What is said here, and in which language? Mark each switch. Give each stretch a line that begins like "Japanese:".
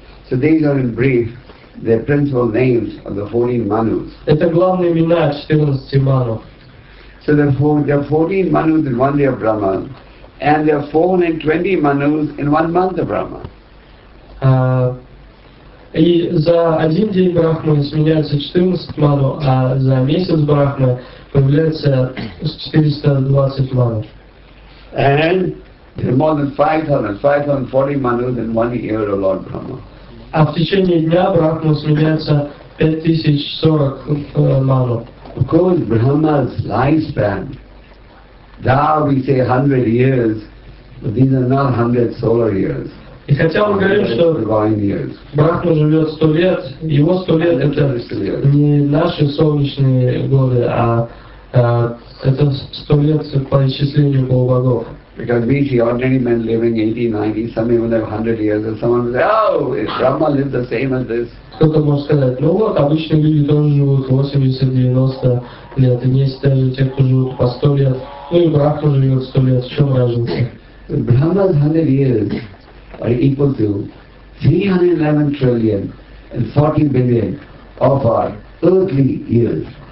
English: So these are in brief the principal names of the 14 manus.
Russian: Это главные имена 14 ману.
English: So there are 14 manus in one day of Brahma, and there are 420 manus in one month of Brahma.
Russian: И за один день Брахмы сменяется 14 ману, а за месяц Брахмы появляется 420 ману.
English: And there are more than 540 manus in one year of Lord Brahma.
Russian: А в течение дня Брахма сменяется 5040 ману.
English: Of course, Brahma's lifespan. Now we say 100 years, but these are not 100 solar years.
Russian: И хотя мы говорим, что Брахма живет 100 лет, его 100 лет — это не наши солнечные годы, а это 100 лет по исчислению полубогов.
English: Because we see ordinary men living 80, 90, some even have 100 years, and someone will say, oh, if Brahma lived the same as this.
Russian: Кто-то может сказать, ну вот, обычные люди тоже живут 80-90 лет, и есть даже те, кто живут по 100 лет, ну и Брахма живет 100 лет, в чем разница?
English: Brahma's 100 years are equal to 311 trillion and 40 billion of our earthly years.